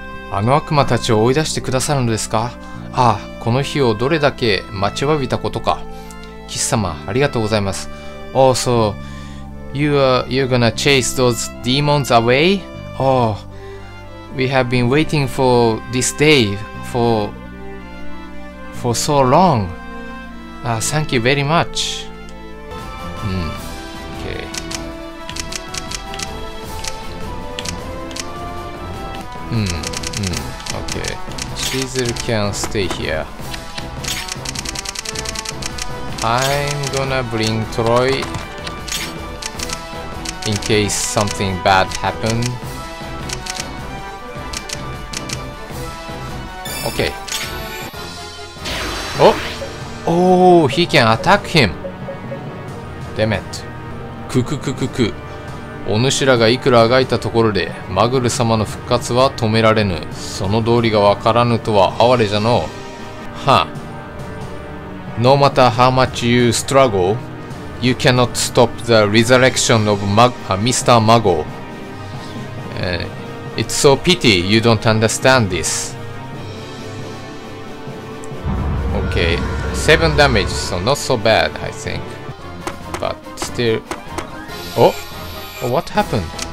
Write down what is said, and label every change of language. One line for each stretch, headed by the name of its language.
Japanese: あの悪魔たちを追い出してくださるのですか？ああ、この日をどれだけ待ちわびたことか。騎士様、ありがとうございます。
English: Oh, so you're gonna chase those demons away? Oh, we have been waiting for this day for so long. Thank you very much. Okay. Shizel can stay here. I'm gonna bring Troy in case something bad happened. Okay. Oh! Oh, he can attack him. Damn it. Kukukukuku.
Japanese: お主らがいくらあがいたところで、マグル様の復活は止められぬ。その道理がわからぬとは哀れじゃの。 Ha.
English: No matter how much you struggle, you cannot stop the resurrection of Mr. Mago. It's so pity you don't understand this. Okay. 7 damage, so not so bad, I think. But still. Oh! What happened?